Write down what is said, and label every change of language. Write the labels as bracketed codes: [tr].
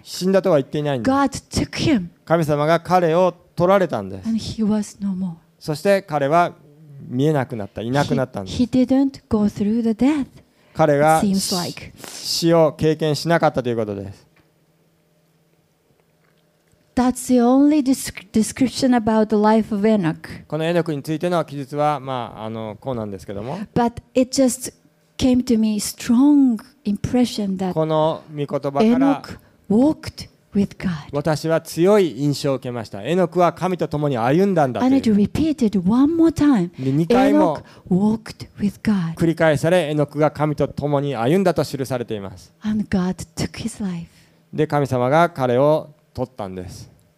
[ja] 死んだとは言っていないんです。 [en] God took him. [ja] 神様が彼を取られたんです。 [en] And he was no more. [ja] そして彼は見えなくなった、いなくなったんです。 [en] He didn't go through the death. [ja] 彼が死を経験しなかったということです。 [en] That's the only description about the life of Enoch. [ja] このエノクについての記述は、まあ、あのこうなんですけども。 [en] But it just came to me strong impression that [ja] この御言葉から [en] Enoch walked with God. [ja] 私は強い印象を受けました。エノクは神と共に歩んだんだという。 [en] And it repeated one more time. [ja] で、2回も [en] Enoch walked with God. [ja] 繰り返され、エノクが神と共に歩んだと記されています。 [en] And God took his life. [ja] で、神様が彼を取ったんです。